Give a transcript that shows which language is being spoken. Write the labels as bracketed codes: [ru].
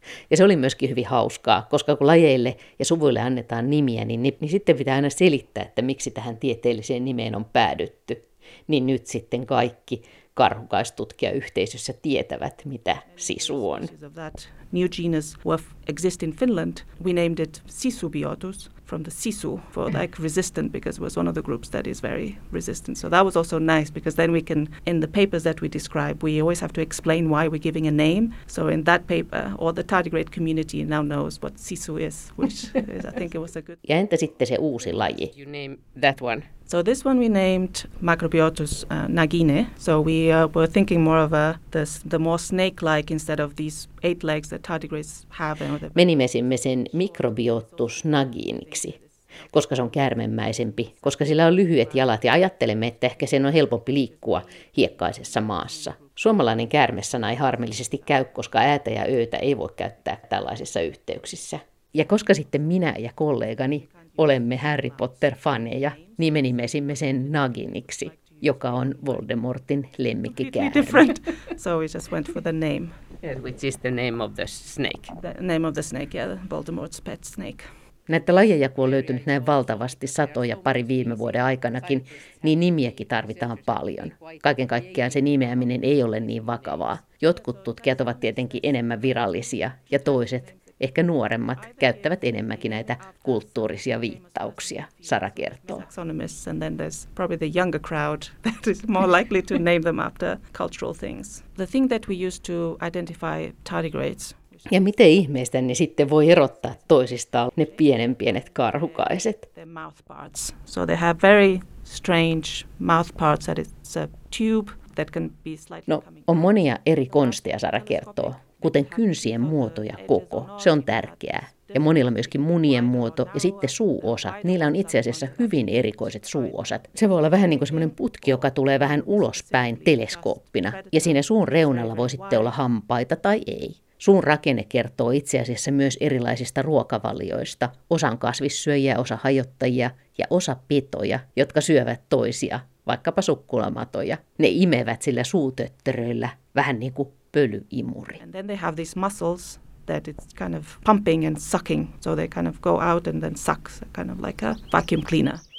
[fi] Ja se oli myöskin hyvin hauskaa, koska kun lajeille ja suvuille annetaan nimiä, niin sitten pitää aina selittää, että miksi tähän tieteelliseen nimeen on päädytty. Niin nyt sitten kaikki karhukaistutkijayhteisössä tietävät, mitä sisu on. [en] New genus was exist in Finland. We named it Sisubiotus from the sisu for like resistant because it was one of the groups that is very resistant. So that was also nice because then we can in the papers that we describe we always have to explain why we're giving a name. So in that paper all the tardigrade community now knows what sisu is, which is, I think it was a good. [fi] Ja entä sitten se uusi laji? [en] You name that one. So this one we named Macrobiotus nagine. So we were thinking more of the more snake-like instead of these eight legs that tardigrades have. [fi] Me nimesimme sen Macrobiotus naginiksi, koska se on käärmemmäisempi, koska sillä on lyhyet jalat ja ajattelemme, että ehkä sen on helpompi liikkua hiekkaisessa maassa. Suomalainen käärmesana ei harmillisesti käy, koska äätä ja öötä ei voi käyttää tällaisissa yhteyksissä. Ja koska sitten minä ja kollegani olemme Harry Potter-faneja, niin me nimesimme sen Naginiksi, joka on Voldemortin lemmikkikäärme. [en] So we just went for the name. Yes, which is the name of the snake. The name of the snake, yeah, Voldemort's pet snake. [fi] Näitä lajeja, kun on löytynyt näin valtavasti satoja pari viime vuoden aikanakin, niin nimiäkin tarvitaan paljon. Kaiken kaikkiaan se nimeäminen ei ole niin vakavaa. Jotkut tutkijat ovat tietenkin enemmän virallisia ja toiset, ehkä nuoremmat, käyttävät enemmänkin näitä kulttuurisia viittauksia, Sara kertoo. [en] And then there's probably the younger crowd that is more likely to name them after cultural things. The thing that we use to identify tardigrades. [fi] Ja miten ihmeestä ne sitten voi erottaa toisistaan ne pienet karhukaiset? [en] Their mouth parts. So they have very strange mouth parts that it's a tube that can be slightly [fi] coming. No, on monia eri konsteja, Sara kertoo. Kuten kynsien muoto ja koko, se on tärkeää. Ja monilla myöskin munien muoto ja sitten suuosat. Niillä on itse asiassa hyvin erikoiset suuosat. Se voi olla vähän niin kuin semmoinen putki, joka tulee vähän ulospäin teleskooppina. Ja siinä suun reunalla voi sitten olla hampaita tai ei. Suun rakenne kertoo itse asiassa myös erilaisista ruokavalioista. Osa on kasvissyöjiä, osa hajottajia ja osa petoja, jotka syövät toisia, vaikkapa sukkulamatoja. Ne imevät sillä suutötteröillä vähän niin kuin pölyimuri. [en] And then they have these muscles that it's kind of pumping and sucking, so they kind of go out and then suck, so kind of like a vacuum cleaner.